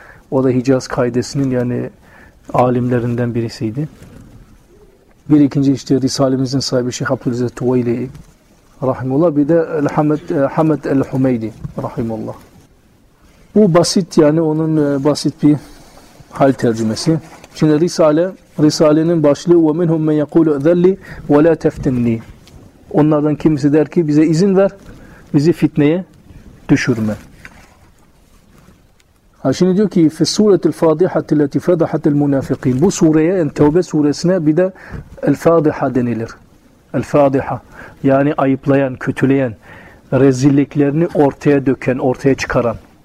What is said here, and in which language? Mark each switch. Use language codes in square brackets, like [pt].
[tr] O da Hicaz kaidesinin yani alimlerinden birisiydi. Bir ikinci işte Risalemizin sahibi Şeyh Abdülaziz el-Tuveyli rahimullah. Bir de Hamed el-Humeydi rahimullah. Bu basit yani onun basit bir hal tercümesi. Şimdi Risale'nin başlığı [ar] وَمِنْهُمْ مَنْ يَقُولُ اَذَلِّ وَلَا تَفْتِنِّي. [tr] Onlardan kimisi der ki bize izin ver, bizi fitneye düşürme. Ha şimdi diyor ki [ar] فِي سُورَةِ الْفَادِحَةِ الَّتِ فَدَحَةِ الْمُنَافِقِينَ. [tr] Bu sureye, yani Tevbe suresine bir de الْفَادِحَ denilir. الْفَادِحَ yani ayıplayan, kötüleyen, rezilliklerini ortaya döken, ortaya çıkaran.